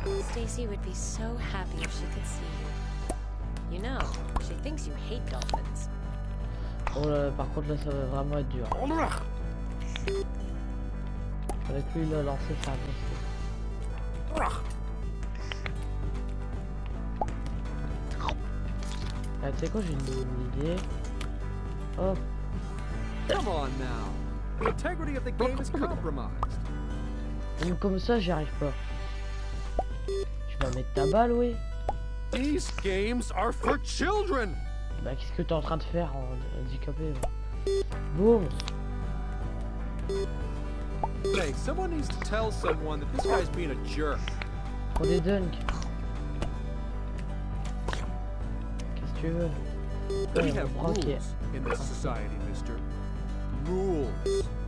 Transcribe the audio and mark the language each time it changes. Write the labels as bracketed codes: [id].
[en] Stacy would be so happy if she could see you. You know, she thinks you hate dolphins. [fr] Oh là, par contre là ça va vraiment être dur. Avec lui là, alors c'est ça. Ah, tu sais quoi, j'ai une bonne idée. Oh. [en] Come on now. The integrity of the game is compromised. [fr] Donc comme ça, j'y arrive pas. Tu vas mettre ta balle, oui. [en] These games are for children. [fr] Bah, qu'est-ce que t'es en train de faire, handicapé? Boum. [en] Hey, someone needs to tell someone that this guy's being a jerk. [fr] Pour des dunks. Qu'est-ce que tu veux? [en] We have rules in this society, mister. Rules.